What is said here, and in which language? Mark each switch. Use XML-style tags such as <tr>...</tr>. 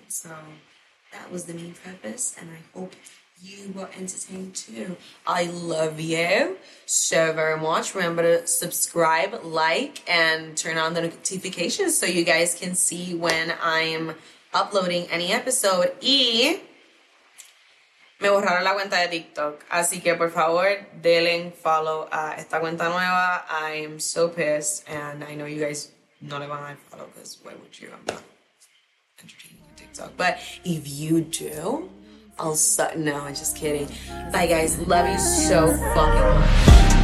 <en>So that was the main purpose. And I hope you were entertained too. I love you so very much. Remember to subscribe, like, and turn on the notifications so you guys can see when I'm uploading any episode.</en> <es>Y me borraron la cuenta de TikTok. Así que, por favor, denle follow a esta cuenta nueva.</es> <en>I am so pissed. And I know you guys</en> <es>no le van a follow</es> <en>because why would you? I'm not entertaining on TikTok. But if you do, I'll suck. No, I'm just kidding. Bye, guys. Love you so fucking much.</en>